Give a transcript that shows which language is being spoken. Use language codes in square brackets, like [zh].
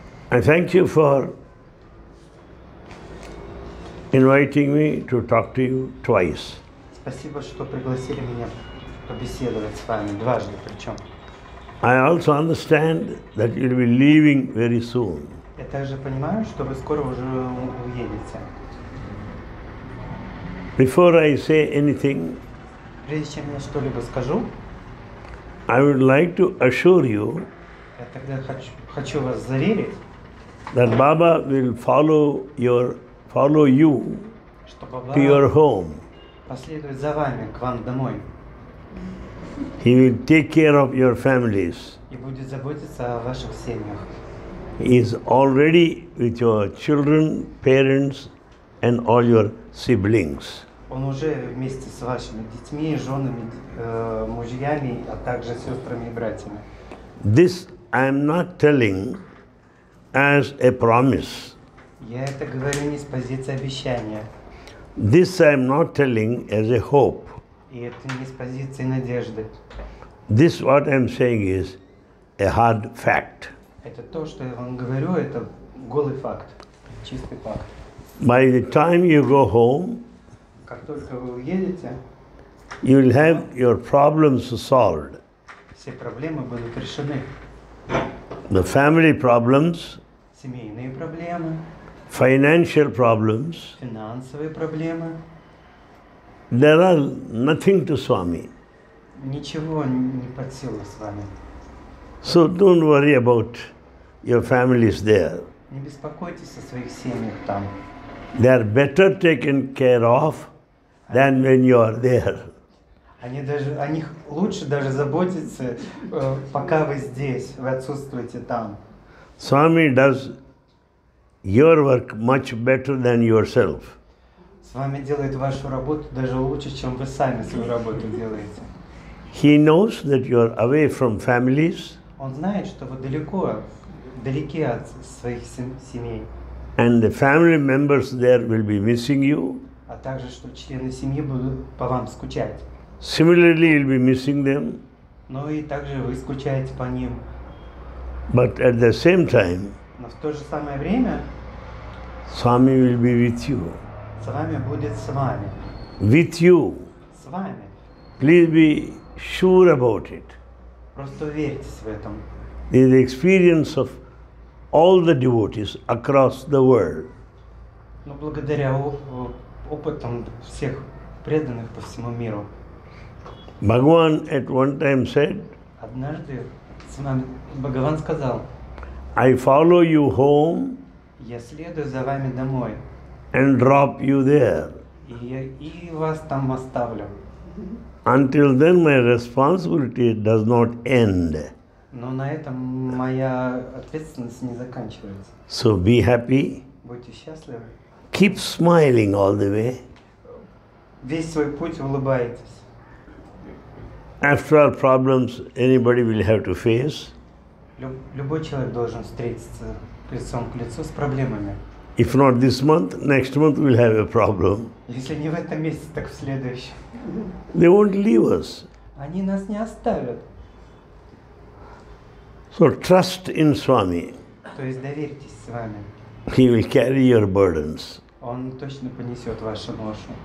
[en] I thank you for inviting me to talk to you twice. [ru] Спасибо, что пригласили меня побеседовать с вами дважды, причем. [en] I also understand that you'll be leaving very soon. [ru] Я также понимаю, что вы скоро уже уедете. [en] Before I say anything, [ru] прежде чем я что-либо скажу, [en] I would like to assure you. [ru] Я тогда хочу вас заверить. [en] That Baba will follow you to your home. [ru] Последует за вами к вам домой. [en] He will take care of your families. [ru] И будет заботиться о ваших семьях. [en] He is already with your children, parents, and all your siblings. [ru] Он уже вместе с вашими детьми, женами, мужьями, а также сестрами и братьями. [en] This I am not telling. As a promise. [ru] Я это говорю не с позиции обещания. [en] This I am not telling as a hope. [ru] И это не с позиции надежды. [en] This what I am saying is a hard fact. [ru] Это то, что я вам говорю, это голый факт, чистый факт. [en] By the time you go home, [ru] как только вы уедете, [en] you will have your problems solved. [ru] Все проблемы будут решены. [en] The family problems, [ru] семейные проблемы, [en] financial problems, [ru] финансовые проблемы. [en] There are nothing to Swami. [ru] Ничего не под силу с вами. [en] So don't worry about your families there. [ru] Не беспокойтесь о своих семьях там. [en] They are better taken care of than when you are there. [ru] Они даже о них лучше даже заботиться, пока вы здесь, вы отсутствуете там. [en] Swami does your work much better than yourself. [ru] Swami делает вашу работу даже лучше, чем вы сами свою работу делаете. [en] He knows that you are away from families. [ru] Он знает, что вы далеки от своих семей. [en] And the family members there will be missing you. [ru] А также, что члены семьи будут по вам скучать. [en] Similarly, you'll be missing them. [ru] Но и также вы скучаете по ним. [en] But at the same time, [ru] но в то же самое время, [en] Swami will be with you. [ru] С вами будет с вами. [en] With you. [ru] С вами. [en] Please be sure about it. [ru] Просто уверьтесь в этом. [en] This is the experience of all the devotees across the world. [ru] Но благодаря опытам всех преданных по всему миру. [en] Bhagavan at one time said, [ru] однажды Бхагаван сказал, [en] I follow you home, [ru] я следую за вами домой, [en] and drop you there, [ru] и вас там оставлю. [en] Until then my responsibility does not end. [ru] Но на этом моя ответственность не заканчивается. [en] So be happy. [ru] Будьте счастливы. [en] Keep smiling all the way. [ru] Весь свой путь улыбайтесь. [en] After all problems, anybody will have to face. [ru] Любой человек должен встретиться лицом к лицу с проблемами. [en] If not this month, next month we'll have a problem. [ru] Если не в этом месяце, так в следующем. [en] They won't leave us. [ru] Они нас не оставят. [en] So trust in Swami. [ru] То есть доверьтесь Свами. [en] He will carry your burdens. [ru] Он точно понесет вашу ношу.